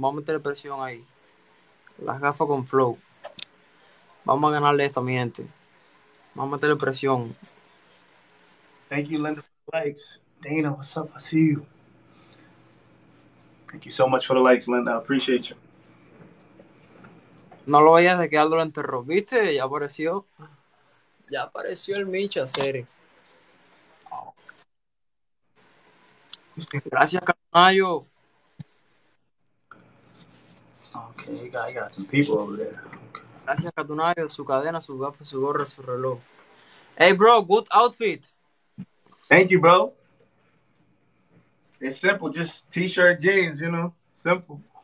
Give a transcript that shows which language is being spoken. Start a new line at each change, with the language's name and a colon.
Spanish: Vamos a meterle presión ahí. Las gafas con flow. Vamos a ganarle esta, mi gente. Vamos a meterle presión.
English: Thank you, Linda, for the likes. Dana, what's up? I see you. Thank you so much for the likes, Linda. I appreciate you.
Spanish: No lo vayas de que Aldo lo enterró, ¿viste? Ya apareció. Ya apareció el Micha, Cere. Gracias, Catunayo.
English: Okay, I got some people over there. Okay.
Spanish: Gracias, Catunayo. Su cadena, su gafa, su gorra, su reloj.
English: Hey, bro, good outfit. Thank you, bro. It's simple, just t-shirt jeans, you know, simple.